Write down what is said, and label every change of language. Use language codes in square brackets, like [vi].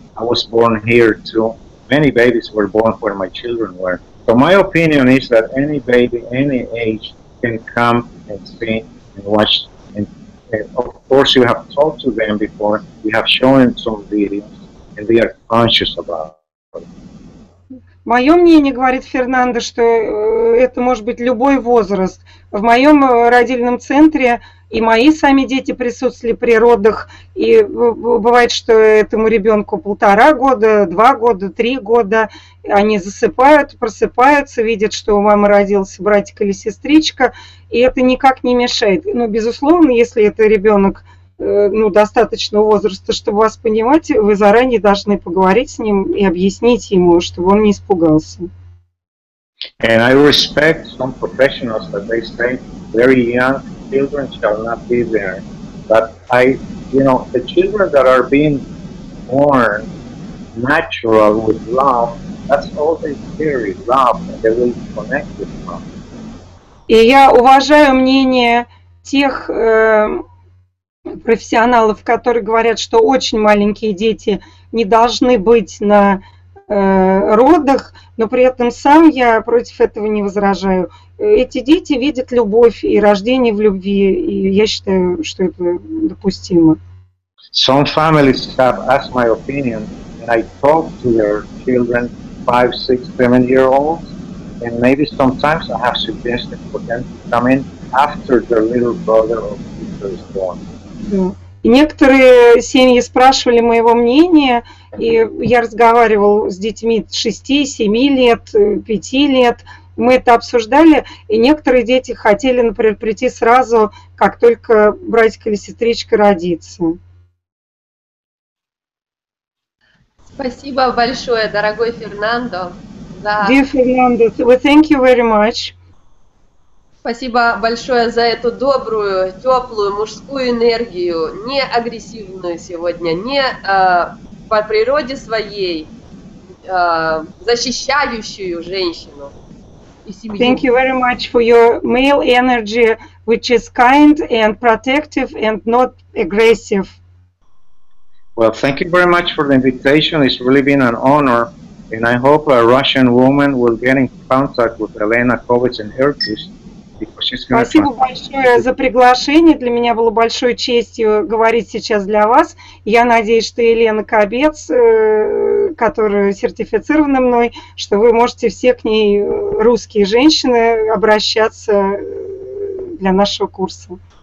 [en] I was born here too. Many babies were born where my children were. So my opinion is that any baby, any age, can come and see and watch. And of course, you have talked to them before. You have shown them some videos, and they are conscious about it. [ru] Мое мнение, говорит Фернандо, что это может быть любой возраст. В моем родильном центре и мои сами дети присутствовали при родах. И бывает, что этому ребенку 1.5 года, 2 года, 3 года. Они засыпают, просыпаются, видят, что у мамы родился братик или сестричка. И это никак не мешает. Но, безусловно, если это ребенок достаточного возраста, чтобы вас понимать, вы заранее должны поговорить с ним и объяснить ему, чтобы он не испугался. [en] And I respect some professionals that they say very young children shall not be there. But I, you know, the children that are being born natural with love, that's all they carry, love, and they will connect with love. [ru] И я уважаю мнение тех профессионалов, которые говорят, что очень маленькие дети не должны быть на родах, но при этом сам я против этого не возражаю. Эти дети видят любовь и рождение в любви, и я считаю, что это допустимо. [en] Some families have asked my opinion, and I talk to their children 5, 6, 7 years old, and maybe sometimes I have suggested for them to come in after their little brother or sister is born. [ru] И некоторые семьи спрашивали моего мнения, и я разговаривал с детьми 6, 7 лет, 5 лет, мы это обсуждали, и некоторые дети хотели, например, прийти сразу, как только братик или сестричка родится. Спасибо большое, дорогой Фернандо. [en] Dear Fernando, we thank you very much. [ru] Спасибо большое за эту добрую, теплую мужскую энергию, не агрессивную сегодня, не по природе своей, защищающую женщину и семью. [en] Thank you very much for your male energy, which is kind and protective and not aggressive. Well, thank you very much for the invitation. It's really been an honor. And I hope a Russian woman will get in contact with Elena Kovitz and her kids. [ru] Спасибо большое за приглашение. Для меня было большой честью говорить сейчас для вас. Я надеюсь, что Елена Кобец, которая сертифицирована мной, что вы можете все к ней, русские женщины, обращаться для нашего курса.